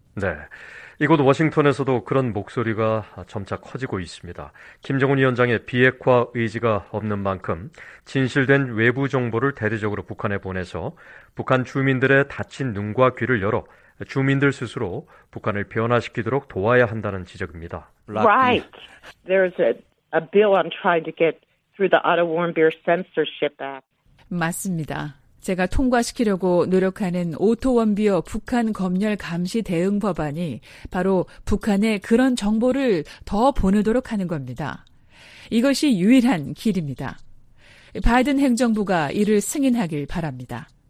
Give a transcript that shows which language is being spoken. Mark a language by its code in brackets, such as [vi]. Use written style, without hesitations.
[ko] 네, 이곳 워싱턴에서도 그런 목소리가 점차 커지고 있습니다. 김정은 위원장의 비핵화 의지가 없는 만큼 진실된 외부 정보를 대대적으로 북한에 보내서 북한 주민들의 닫힌 눈과 귀를 열어 주민들 스스로 북한을 변화시키도록 도와야 한다는 지적입니다. [en] Right. There's a bill I'm trying to get through the Otto Warmbier Censorship Act. [ko] 맞습니다. 제가 통과시키려고 노력하는 오토 원비어 북한 검열 감시 대응 법안이 바로 북한에 그런 정보를 더 보내도록 하는 겁니다. 이것이 유일한 길입니다. 바이든 행정부가 이를 승인하길 바랍니다.